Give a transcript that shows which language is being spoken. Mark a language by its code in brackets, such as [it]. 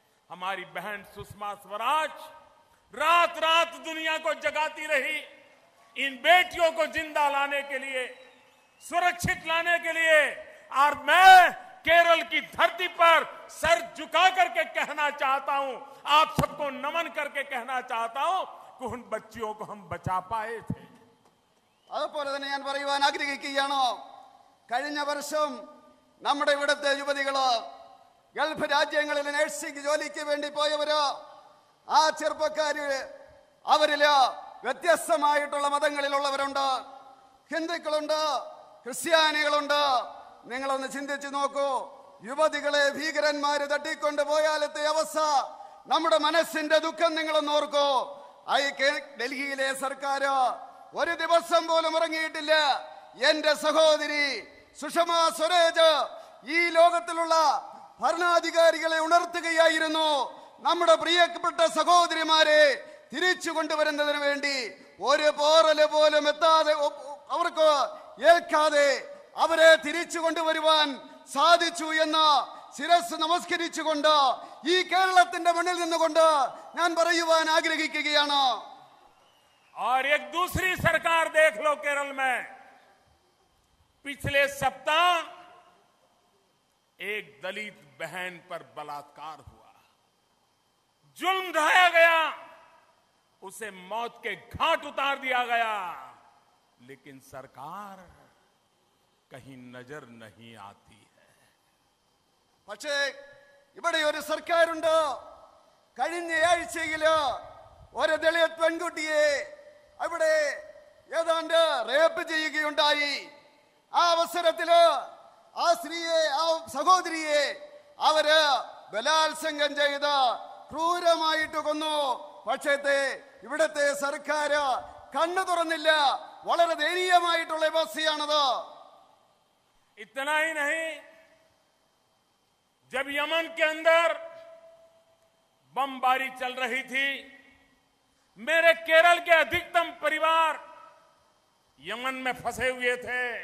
[hi] हमारी बहन सुषमा स्वराज रात रात दुनिया को जगाती रही इन बेटियों को जिंदा लाने के लिए, सुरक्षित लाने के लिए। और मैं केरल की धरती पर सर झुका करके कहना चाहता हूं, आप सबको नमन करके कहना चाहता हूं कि उन बच्चियों को हम बचा पाए थे। [ml] അതുപോലെ തന്നെ ഞാൻ പറയുവാൻ ആഗ്രഹിക്കുകയാണ്, കഴിഞ്ഞ വർഷം നമ്മുടെ ഇവിടുത്തെ യുവതികൾ ഗൾഫ് രാജ്യങ്ങളിൽ നഴ്സിംഗ് ജോലിക്ക് വേണ്ടി പോയവര്, ആ ചെറുപ്പക്കാര് അവരിൽ വ്യത്യസ്തമായിട്ടുള്ള മതങ്ങളിലുള്ളവരുണ്ട്, ഹിന്ദുക്കളുണ്ട്, ക്രിസ്ത്യാനികളുണ്ട്. നിങ്ങളൊന്ന് ചിന്തിച്ചു നോക്കൂ, യുവതികളെ ഭീകരന്മാര് തട്ടിക്കൊണ്ട് പോയാലത്തെ അവസ്ഥ, നമ്മുടെ മനസ്സിന്റെ ദുഃഖം നിങ്ങളൊന്ന് ഓർക്കോ. ഡൽഹിയിലെ സർക്കാർ ഒരു ദിവസം പോലും ഉറങ്ങിയിട്ടില്ല. എന്റെ സഹോദരി സുഷമ സ്വരാജ് ഈ ലോകത്തിലുള്ള ഭരണാധികാരികളെ ഉണർത്തുകയായിരുന്നു, നമ്മുടെ പ്രിയപ്പെട്ട സഹോദരിമാരെ തിരിച്ചു കൊണ്ടുവരുന്നതിന് വേണ്ടി ഒരു പോറല് പോലും എത്താതെ, അവർക്ക് ഏൽക്കാതെ അവരെ തിരിച്ചു കൊണ്ടുവരുവാൻ സാധിച്ചു എന്ന് ശിരസ് നമസ്കരിച്ചുകൊണ്ട് ഈ കേരളത്തിന്റെ മണ്ണിൽ നിന്നുകൊണ്ട് ഞാൻ പറയുവാൻ ആഗ്രഹിക്കുകയാണ്. [hi] और एक दूसरी सरकार देख लो केरल में, पिछले सप्ताह एक दलित बहन पर बलात्कार हुआ, जुल्म ढाया गया, उसे मौत के घाट उतार दिया गया, लेकिन सरकार कहीं नजर नहीं आती है। [ml] പക്ഷെ ഇവിടെ ഒരു സർക്കാരുണ്ട്, കഴിഞ്ഞ ആഴ്ചയിൽ ഒരു ദളിത് പെൺകുട്ടിയെ അവിടെ ഏതാണ്ട് റേപ്പ് ചെയ്യുകയുണ്ടായി. ആ അവസരത്തില് ആ സ്ത്രീയെ, ആ സഹോദരിയെ അവര് ബലാത്സംഗം ചെയ്ത് ക്രൂരമായിട്ട് കൊന്നു. പക്ഷേ ഇവിടത്തെ സർക്കാര് കണ്ണു തുറന്നില്ല, വളരെ ദയനീയമായിട്ടുള്ള അവസ്ഥയാണത്. [hi] ഇത്തനായി നഹീ ജബ് യമൻ കേ അന്ദർ ബംബാരി ചൽ റഹി തീ, मेरे केरल के अधिकतम परिवार यमन में फंसे हुए थे।